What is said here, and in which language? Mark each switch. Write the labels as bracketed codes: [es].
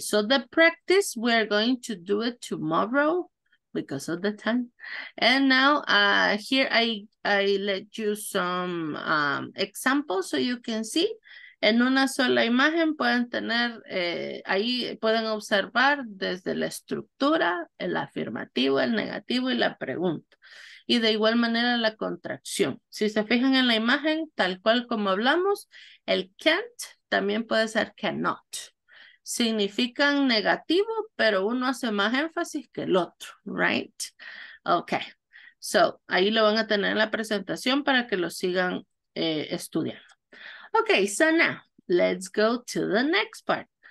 [en] So the practice, we're going to do it tomorrow because of the time. And now here I let you some examples so you can see. [es] En una sola imagen pueden tener, ahí pueden observar desde la estructura, el afirmativo, el negativo y la pregunta. Y de igual manera la contracción. Si se fijan en la imagen, tal cual como hablamos, el can't también puede ser cannot. Significan negativo, pero uno hace más énfasis que el otro, right? Okay, so ahí lo van a tener en la presentación para que lo sigan estudiando. [en] Okay, so now let's go to the next part.